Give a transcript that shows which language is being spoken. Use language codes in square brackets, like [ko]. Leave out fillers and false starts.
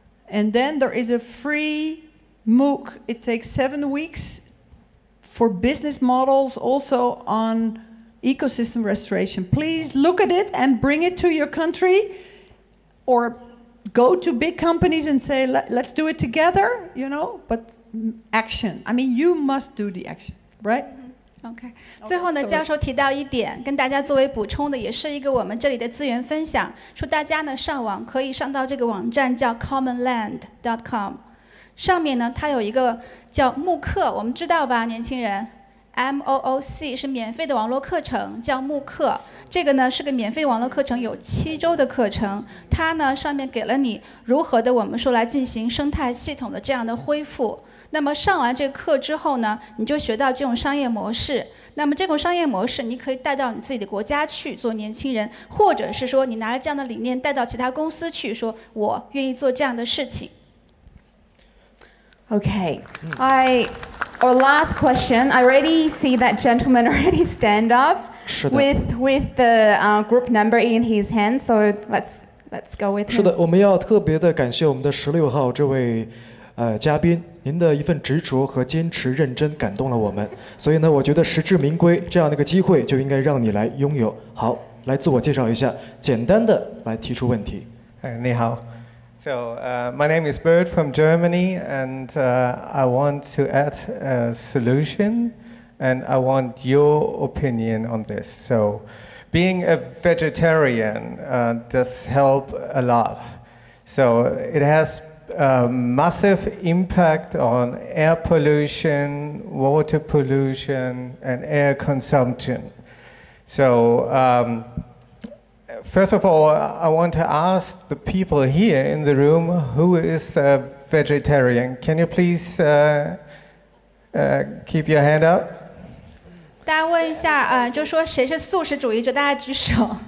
[en] And then there is a free MOOC. It takes 7 weeks for business models also on ecosystem restoration. Please look at it and bring it to your country, or go to big companies and say, let's do it together, you know, but action. I mean, you must do the action, right? Okay. [zh] 最后呢，教授提到一点，跟大家作为补充的，也是一个我们这里的资源分享，说大家呢上网可以上到这个网站叫 commonland.com， 上面呢它有一个叫慕课，我们知道吧，年轻人。 MOOC 是免费的网络课程，叫慕课。这个呢是个免费网络课程，有7周的课程。它呢上面给了你如何的，我们说来进行生态系统的这样的恢复。那么上完这个课之后呢，你就学到这种商业模式。那么这种商业模式，你可以带到你自己的国家去做年轻人，或者是说你拿着这样的理念带到其他公司去，说我愿意做这样的事情。 [en] Okay, our last question. I already see that gentleman already stand up with the group number in his hand. So let's go with him. [zh] 是的，我们要特别的感谢我们的16号这位嘉宾，您的一份执着和坚持认真感动了我们。所以呢，我觉得实至名归，这样的一个机会就应该让你来拥有。好，来自我介绍一下，简单的来提出问题。哎，你好。 [en] So my name is Bert from Germany, and I want to add a solution, and I want your opinion on this. So being a vegetarian does help a lot. So it has a massive impact on air pollution, water pollution, and air consumption. So first of all, I want to ask the people here in the room who is a vegetarian. Can you please keep your hand up? [zh] 大家问一下，就说谁是素食主义者，大家举手。